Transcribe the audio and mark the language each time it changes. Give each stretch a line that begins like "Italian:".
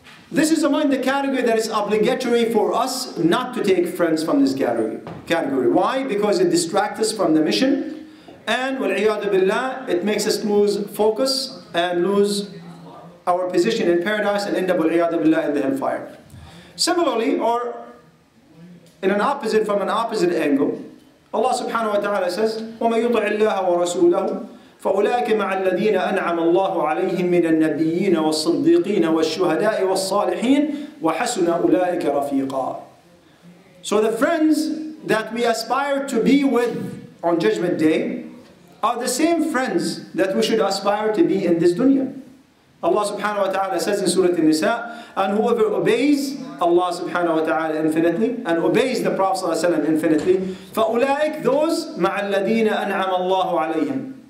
English: This is among the category that is obligatory for us not to take friends from this category. Why? Because it distracts us from the mission. And, wal-iyadu billah, it makes us lose focus and lose our position in paradise and end up, wal-iyadu billah, in the hellfire. Similarly, or in an opposite, from an opposite angle, Allah subhanahu wa ta'ala says,
Arabic: وَمَنْ يُطِعِ اللَّهَ وَرَسُولَهُ فَأُولَٰئِكَ مَعَ الَّذِينَ أَنْعَمَ اللَّهُ عَلَيْهِمْ مِنَ النَّبِيِّينَ وَالصِّدِّيقِينَ وَالشُّهَدَاءِ وَالصَّالِحِينَ وَحَسُنَ أُولَٰئِكَ رَفِيقًا.
English: So the friends that we aspire to be with on Judgment Day are the same friends that we should aspire to be in this dunya. Allah subhanahu wa ta'ala says in Surah An-Nisa, and whoever obeys Allah subhanahu wa ta'ala infinitely and obeys the Prophet sallallahu alayhi wa sallam infinitely,
Arabic: فَأُولَٰئِكْ
English: those
Arabic: مَعَ الَّذِينَ أَنْعَمَ اللَّهُ عَلَيْهِمْ.